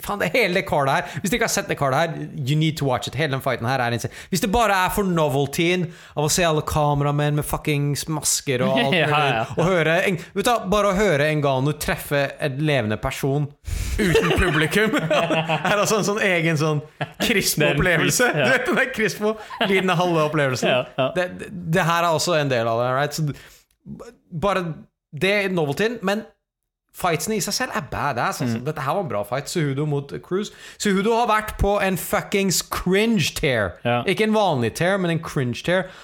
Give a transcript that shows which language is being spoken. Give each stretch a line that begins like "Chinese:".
Norwegian: Faen, det hele det kardet her. Hvis dere ikke har sett det kardet her,
English: you need to watch it.
Norwegian: Hele den fighten her er insane. Hvis det bare er for novelty-en av å se alle kameramenn med fucking masker og alt. Ja. Og høre, vet du, bare å høre Ngannou treffe et levende person uten publikum. Er altså en sånn egen sånn krispo opplevelse. Du vet den der krispo lidende halve opplevelsen. Ja. Det her er også en del av det, right? Så, bare det er novelty-en, men fightsene i seg selv er badass. Mm. Dette her var en bra fight. Cejudo mot Cruz. Cejudo har vært på en fuckings cringe tear. Ja. Ikke en vanlig tear, men en cringe tear.